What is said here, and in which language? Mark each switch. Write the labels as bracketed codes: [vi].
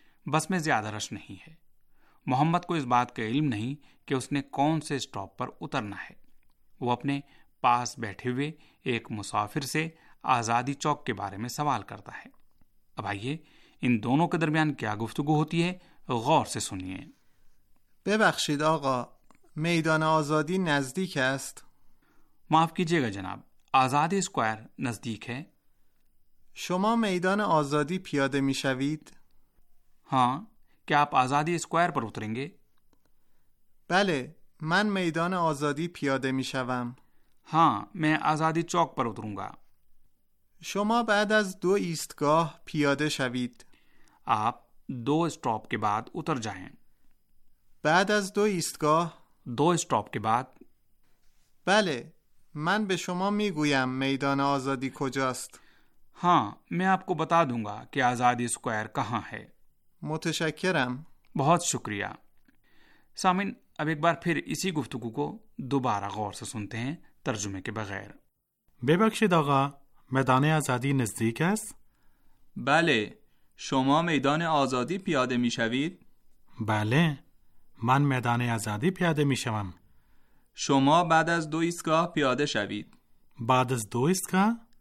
[ur] بس میں زیادہ رش نہیں ہے. محمد کو اس بات کا علم نہیں کہ اس نے کون سے اسٹاپ پر اترنا ہے. وہ اپنے پاس بیٹھے ہوئے ایک مسافر سے آزادی چوک کے بارے میں سوال کرتا ہے. اب آئیے ان دونوں کے درمیان کیا گفتگو ہوتی ہے، غور سے سنیے. [fa] ببخشید آقا، میدان آزادی نزدیک است؟ [ur] معاف کیجیے گا جناب، آزادی اسکوائر نزدیک ہے. [fa] شما میدان آزادی پیاده می شوید؟ [ur] ہاں. کیا آپ آزادی اسکوائر پر اتریں گے؟ [fa] بله، من میدان آزادی پیاده می شوم. [ur] ہاں، میں آزادی چوک پر اتروں گا. [fa] شما بعد از دو ایستگاه پیاده شوید. [ur] آپ دو اسٹاپ کے بعد اتر جائیں. [fa] بعد از دو ایستگاه؟ [ur] دو اسٹاپ کے بعد. [fa] بله، من به شما میگویم میدان آزادی کجاست. [ur] ہاں، میں آپ کو بتا دوں گا کہ آزادی اسکوائر کہاں ہے. [fa] متشکرم. [ur] بہت شکریہ. سامن، اب ایک بار پھر اسی گفتگو کو دوبارہ غور سے سنتے ہیں ترجمے کے بغیر. [fa] ببخشید آقا، میدان آزادی نزدیک است؟ بله، شما میدان آزادی پیاده می شوید؟ بله، من میدان آزادی پیاده می شوم. شما بعد از دو ایستگاه پیاده شوید. بعد از دو ایستگاه؟